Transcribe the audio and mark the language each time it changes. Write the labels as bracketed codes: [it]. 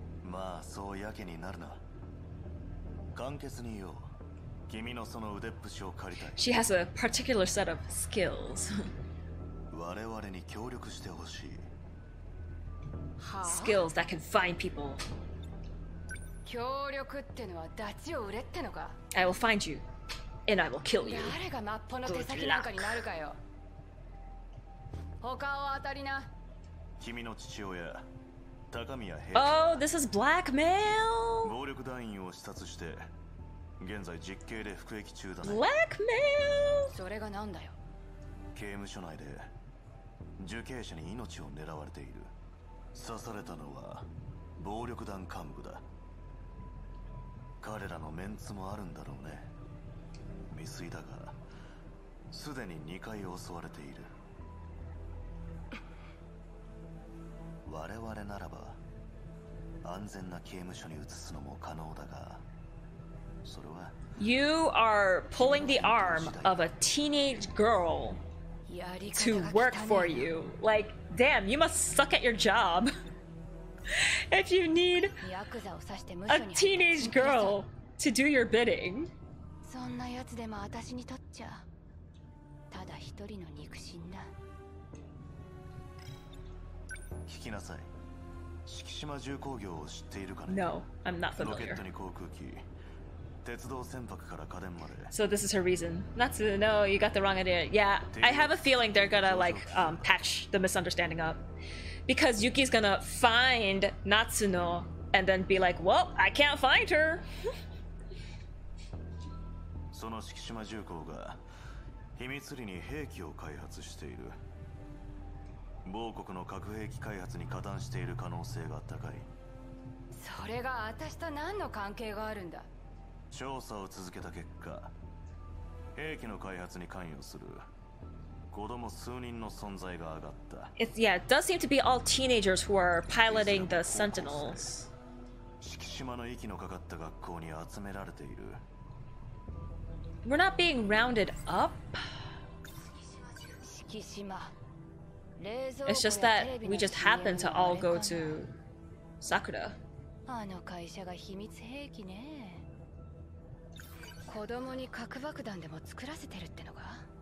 [ja] まあそうやけになるな。簡潔に言おう。君のその腕っぷしを借りたい。 [en] She has a particular set of skills. [ja] 我々に協力してほしい。 [en] Skills that can find people. [ja] 協力ってのはダチを売れってのか。 [en] I will find you, and I will kill you. [ja] 誰がマッポの手先なんかになるかよ。他を当たりな。君の父親、高宮平。 [en] Oh, this is blackmail. [ja] 暴力団員を視察して、現在実刑で服役中だね。 [en] Blackmail. [ja] それがなんだよ。刑務所内で。受刑者に命を狙われている。刺されたのは暴力団幹部だ。彼らのメンツもあるんだろうね。未遂だがすでに2回襲われている。我々ならば安全な刑務所に移すのも可能だが、それは [en] You are pulling the arm of a teenage girl. To work for you. Like, damn, you must suck at your job. If you need a teenage girl to do your bidding. [ja] そんなやつでも私にとっちゃただ一人の肉親だ。聞きなさい。四季島重工業を知っているかね。 [en] No, I'm not familiar. [ja] ロケットに航空機、鉄道船舶から家電まで。 [en] So this is her reason. Natsu, no, you got the wrong idea. Yeah, I have a feeling they're gonna like, patch the misunderstanding up. Because Yuki's gonna find Natsuno and then be like, well, I can't find her. [ja] その四季島重工が秘密裏に兵器を開発している。某国の核兵器開発に加担している可能性が高い。それが私と何の関係があるんだ。調査を続けた結果、兵器の開発に関与する子供数人の存在が上がった。 [en] It's, yeah, it does seem to be all teenagers who are piloting the Sentinels. [ja] 四季島の息のかかった学校に集められている。 [en] We're not being rounded up. [ja] 四季島。 [en] It's just that we just happen to all go to Sakura. [ja] あの会社が秘密兵器ね。子供に核爆弾でも作らせてるってのか？